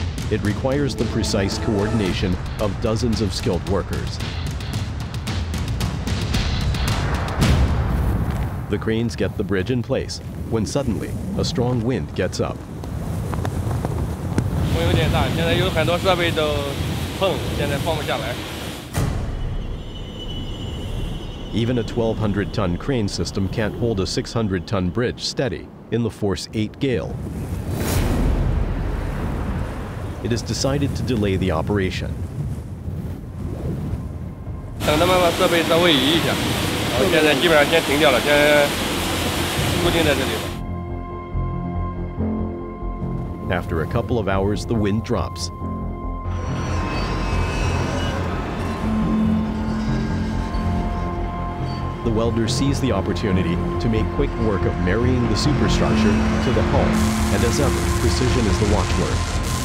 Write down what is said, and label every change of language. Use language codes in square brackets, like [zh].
[en] It requires the precise coordination of dozens of skilled workers. The cranes get the bridge in place when suddenly a strong wind gets up. [zh] 风有点大，现在有很多设备都碰，现在放不下来。 [en] Even a 1,200-ton crane system can't hold a 600-ton bridge steady in the Force 8 gale. It is decided to delay the operation. [zh] 想着办法设备再位移一下，然后现在基本上先停掉了，先固定在这里。 [en] After a couple of hours, the wind drops. The welder sees the opportunity to make quick work of marrying the superstructure to the hull, and as ever, precision is the watchword.